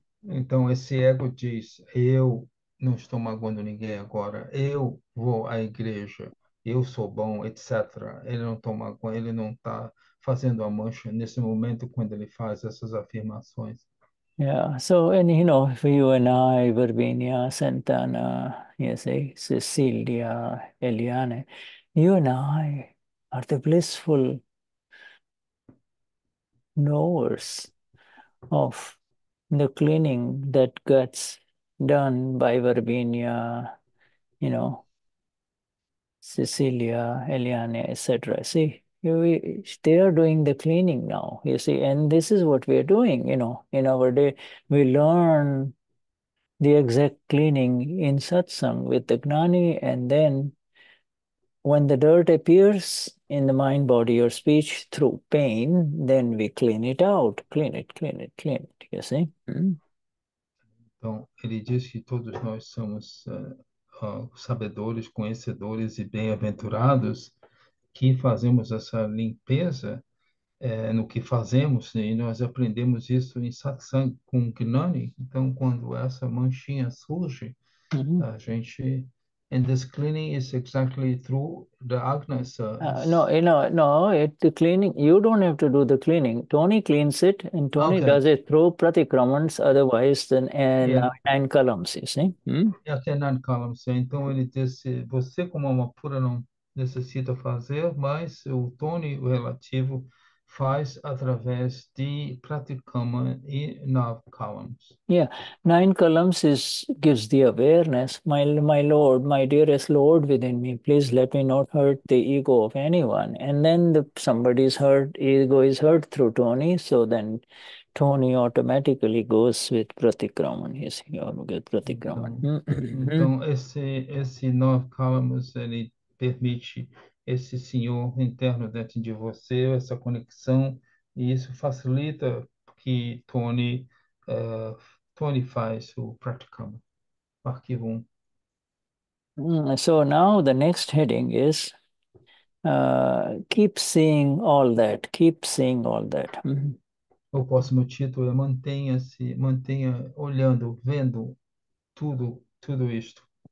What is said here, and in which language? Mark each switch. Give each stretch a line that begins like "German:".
Portuguese: Então, esse ego diz: eu não estou magoando ninguém agora, eu vou à igreja. Eu sou bom, etc. Ele não está fazendo a mancha nesse momento quando ele faz essas afirmações.
English: Yeah, so, and you know, for you and I, Virginia, Santana, you see, Cecilia, Eliane, you and I are the blissful knowers of the cleaning that gets done by Virginia, you know, Cecilia, Eliane, etc. See? They are doing the cleaning now, you see, and this is what we are doing, you know, in our day. We learn the exact cleaning in satsang with the gnani, and then when the dirt appears in the mind, body, or speech through pain, then we clean it out, clean it, you see.
Portuguese: Então, ele diz que todos nós somos sabedores, conhecedores e bem-aventurados que fazemos essa limpeza no que fazemos, e nós aprendemos isso em satsang com Gnani. Então, quando essa manchinha surge, a gente
English: And this cleaning is exactly through the Agna service. No. The cleaning, you don't have to do the cleaning. Tony cleans it, and Tony Okay. does it through pratikramans, otherwise then nine columns, you see? Até nine columns.
Portuguese: Então ele disse, você como uma pura não necessita fazer, mas o Tony, o relativo, faz através de pratikama e nine columns.
English: Yeah, nine columns is gives the awareness. My Lord, my dearest Lord within me, please let me not hurt the ego of anyone. And then somebody's hurt, ego is hurt through Tony. So then Tony automatically goes with Pratikraman. You see, or get Pratikraman.
Portuguese: Então, esse nove columns, ele permite esse senhor interno dentro de você, essa conexão, e isso facilita que Tony. Tony faz o praticamo. Arquivo 1.
English: So now the next heading is keep seeing all that, keep seeing all that.
Portuguese: O próximo título é mantenha olhando, vendo tudo isto.